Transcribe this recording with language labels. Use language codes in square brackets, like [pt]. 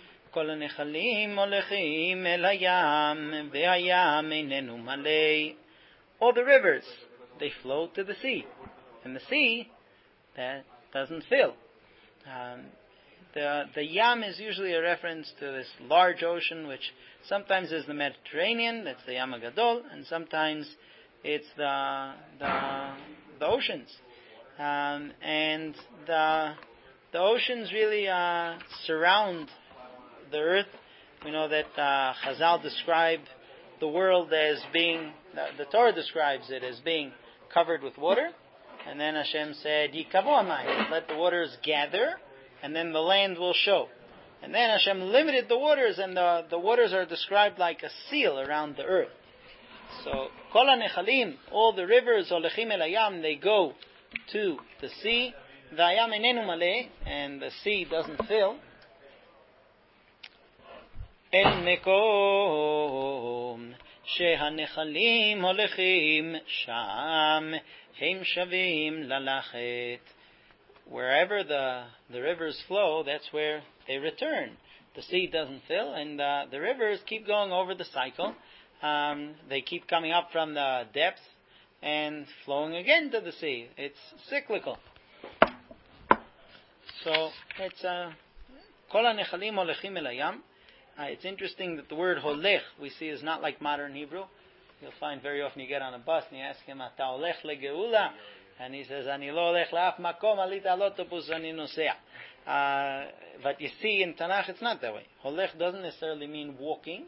[he] כל הנחלים הולכים אל הים, והים איננו מלא. [en] All the rivers, they flow to the sea. And the sea, that doesn't fill. The yam is usually a reference to this large ocean, which sometimes is the Mediterranean, that's the Yam HaGadol, and sometimes it's the oceans. And the oceans really surround the earth. We know that Chazal described the world as being, the Torah describes it as being covered with water. And then Hashem said, [he] Yikavu amayim, [en] let the waters gather, and then the land will show. And then Hashem limited the waters, and the waters are described like a seal around the earth. So, [he] Kol HaNechalim, [en] all the rivers, [he] Olechim El Hayam, [en] they go to the sea. [he] V'ayam einenu male, [en] and the sea doesn't fill. [he] אל מקום שהנחלים הולכים שם הם שווים ללכת. [en] Wherever the rivers flow, that's where they return. The sea doesn't fill, and the rivers keep going over the cycle. They keep coming up from the depths and flowing again to the sea. It's cyclical. So it's [he] כל הנחלים הולכים אל הים. [en] It's interesting that the word holech we see is not like modern Hebrew. You'll find very often you get on a bus and you ask him, [he] "Ata holech legeula?" [en] And he says, [he] "Ani lo holech laaf makom alita alotobus ani noseah." [en] But you see in Tanakh it's not that way. Holech doesn't necessarily mean walking.